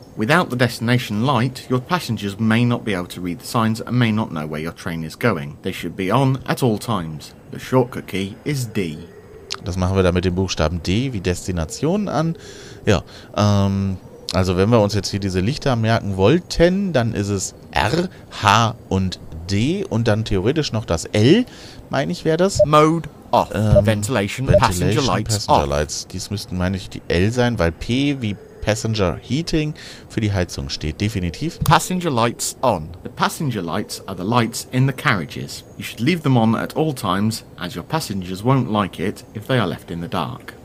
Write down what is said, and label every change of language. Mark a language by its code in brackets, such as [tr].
[en] Without the destination light, your passengers may not be able to read the signs and may not know where your train is going. They should be on at all times. The shortcut key is D. [de] Das machen wir dann mit dem Buchstaben D wie Destination an. Ja, also wenn wir uns jetzt hier diese Lichter merken wollten, dann ist es R, H und D und dann theoretisch noch das L, meine ich, wäre das. [en] Mode off. Ventilation passenger lights. [de] Dies müssten, meine ich, die L sein, weil P wie Passenger Heating für die Heizung steht, definitiv. [en] Passenger lights on. The passenger lights are the lights in the carriages. You should leave them on at all times, as your passengers won't like it if they are left in the dark.